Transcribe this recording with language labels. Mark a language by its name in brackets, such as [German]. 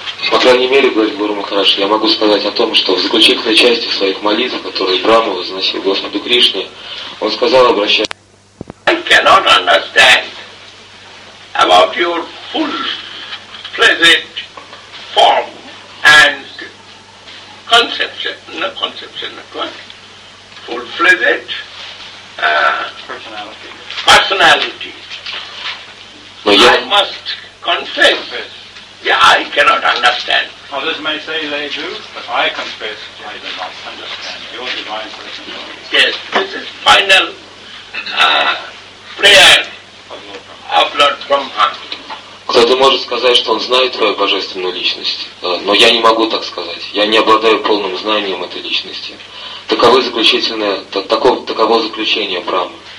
[Russian] По крайней мере, говорит Гуру Махарадж, я могу сказать о том, что в заключительной части своих молитв, которые Брама возносил Господу Кришне, Он сказал, обращаясь. [English] I cannot understand about your full present form and conception. No conception, not what? Full present personality. I must confess. I cannot understand. Others may say they do, but I confess I do not understand your divine personality. Yes, this is final prayer of Lord Brahma. [Russian] Кто-то может сказать, что он знает твою божественную личность, но я не могу так сказать. Я не обладаю полным знанием этой личности. Таково заключительное, таково заключение Брахмы.